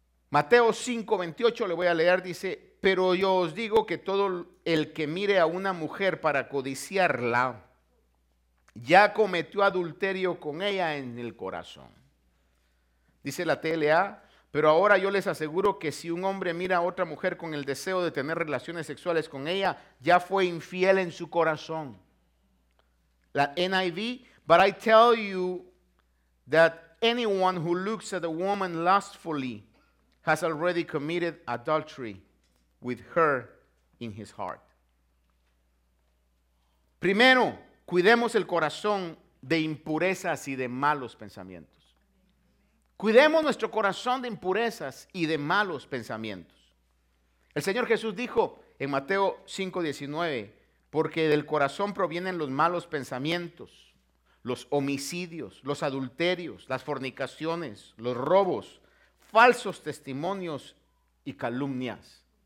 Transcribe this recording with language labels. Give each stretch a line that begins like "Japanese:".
Spanish: Mateo 5, 28, le voy a leer, dice, pero yo os digo que todo el que mire a una mujer para codiciarla, ya cometió adulterio con ella en el corazón. Dice la TLA, pero ahora yo les aseguro que si un hombre mira a otra mujer con el deseo de tener relaciones sexuales con ella, ya fue infiel en su corazón.
English: La NIV, but I tell you that anyone who looks at a woman lustfully has already committed adultery with her in his heart.
Spanish: Primero, cuidemos el corazón de impurezas y de malos pensamientos. Cuidemos nuestro corazón de impurezas y de malos pensamientos. El Señor Jesús dijo en Mateo 5:19. Porque del corazón provienen los malos pensamientos, los homicidios, los adulterios, las fornicaciones, los robos, falsos testimonios y calumnias.